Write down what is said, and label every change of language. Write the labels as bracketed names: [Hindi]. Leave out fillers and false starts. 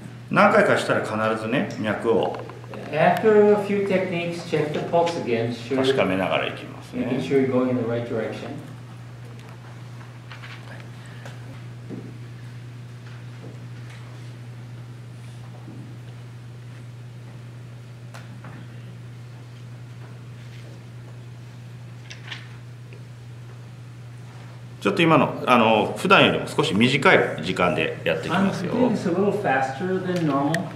[Japanese] 何回かしたら必ずね脈を。 [English] After a few techniques, check the pulse again. Sure. [Japanese] 確かめながらいきますね。 [English] Making sure you're going in the right direction. [Japanese] ちょっと今の、普段よりも少し短い時間でやっていきますよ。 [English] I'm doing this a little faster than normal.